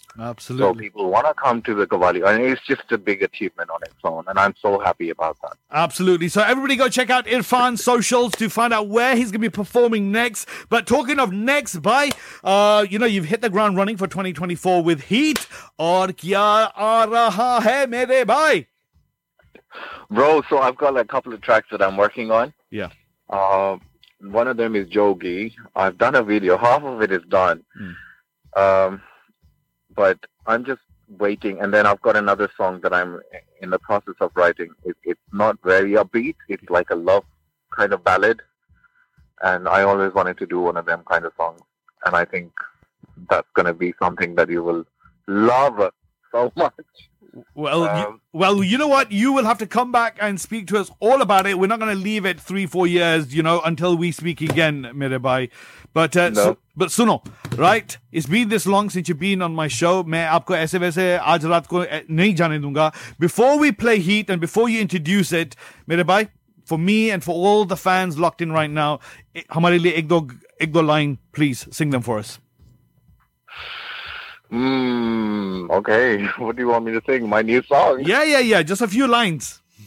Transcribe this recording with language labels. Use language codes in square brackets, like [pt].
[en] Absolutely. So people want to come to the Qawwali. And it's just a big achievement on its own. And I'm so happy about that. Absolutely. So everybody go check out Irfan's socials to find out where he's going to be performing next. But talking of next, bye. You know, you've hit the ground running for 2024 with Heat. [hi] और क्या आ रहा है मेरे भाई? [en] Bro, so I've got like a couple of tracks that I'm working on. Yeah. One of them is Jogi. I've done a video. Half of it is done. Mm. But I'm just waiting. And then I've got another song that I'm in the process of writing. It's not very upbeat. It's like a love kind of ballad. And I always wanted to do one of them kind of songs. And I think that's going to be something that you will love so much. Well, you know what? You will have to come back and speak to us all about it. We're not going to leave it 3-4 years, you know, until we speak again, Mirabai. But but [hi] सुनो, [en] right? It's been this long since you've been on my show. [hi] मैं आपको ऐसे वैसे आज रात को नहीं जाने दूँगा. [en] Before we play Heat and before you introduce it, Mirabai, for me and for all the fans locked in right now, [hi] hamare liye ek do line, [en] please sing them for us. Okay. What do you want me to sing? My new song? Yeah. Just a few lines.